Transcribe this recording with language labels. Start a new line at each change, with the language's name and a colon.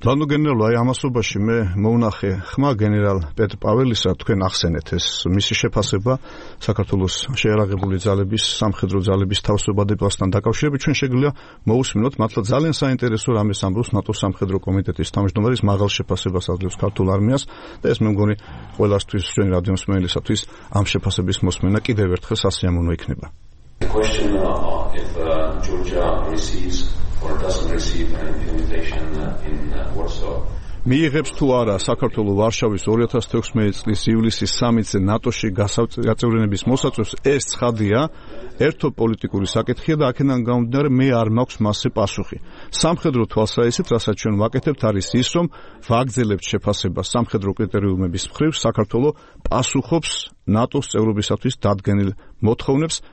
Georgian: ბანო გენერალო, აი ამასობაში მე მოვნახე ხმა გენერალ პეტ პაველისა, თქვენ ახსენეთ ეს მისი შეფასება საქართველოს შეერაღებული ძალების, სამხედრო ძალების თავისუფლებასთან დაკავშირებით. ჩვენ შეგვიძლია მოусმინოთ მართლა ძალიან საინტერესო რამეს ამბობს ნატოს სამხედრო კომიტეტის თავმჯდომარის მაღალ შეფასებას აძლევს ქართულ არმიას და ეს მე მგონი ყველასთვის ჩვენ რადიო მსმენელისათვის ამ შეფასების მოსმენა კიდევ ერთხელ სასიამოვნო იქნება.
English: The question if Georgia receives or doesn't receive an invitation in Warsaw.
Georgian: მიიღებს თუ არა საქართველოს ვარშავის 2016 წლის ივლისის 3-ზე ნატოში გაწევრიანების მოსაწვევს, ეს ცხადია ერთო პოლიტიკური საკითხია და აქედან გამომდინარე მე არ მაქვს მასზე პასუხი. სამხედრო თვალსაზრისით, რასაც ჩვენ ვაკეთებთ, არის ის, რომ ვაგრძელებთ შეფასება სამხედრო კრიტერიუმების მხრივ, საქართველოს პასუხობს ნატოს წევრობისათვის დადგენილ მოთხოვნებს.